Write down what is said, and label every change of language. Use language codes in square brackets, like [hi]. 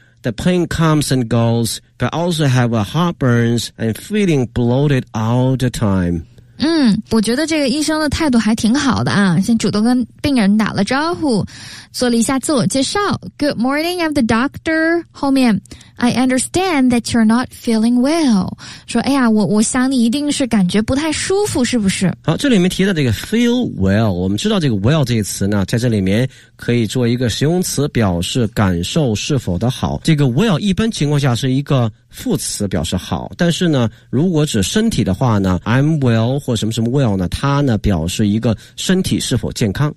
[en] The pain comes and goes, but also have a heartburn and feeling bloated all the time. [zh] 我觉得这个医生的态度还挺好的啊，先主动跟病人打了招呼，做了一下自我介绍。 [en] Good morning, I'm the doctor. [zh] 后面 [en] I understand that you're not feeling well. [zh] 说哎呀，我想你一定是感觉不太舒服，是不是？好，这里面提到这个 feel well， 我们知道这个 well 这个词呢，在这里面可以做一个形容词，表示感受是否的好。这个 well 一般情况下是一个副词，表示好。但是呢，如果指身体的话呢， I'm well 或什么什么 well 呢，它呢表示一个身体是否健康。